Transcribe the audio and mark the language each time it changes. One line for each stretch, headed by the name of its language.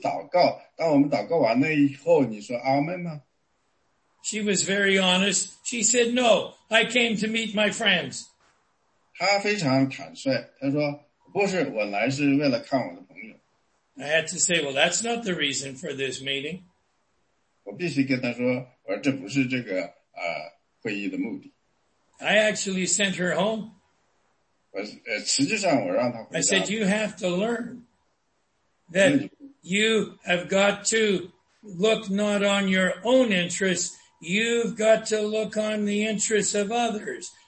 Chinese: 但是你来的目的是就是来跟我们一起祷告，当我们祷告完了以后，你说阿门吗？
English: She was very honest. She said, no, I came to meet my friends.
Chinese: 她非常坦率，她说，不是，我来是为了看我的朋友。
English: I had to say, well, that's not the reason for this meeting.
Chinese: 我必须跟她说，我说这不是这个会议的目的。
English: I actually sent her home.
Chinese: 我实际上我让她回家。
English: I said you have to learn that you have got to look not on your own interests. You've got to look on the interests of others.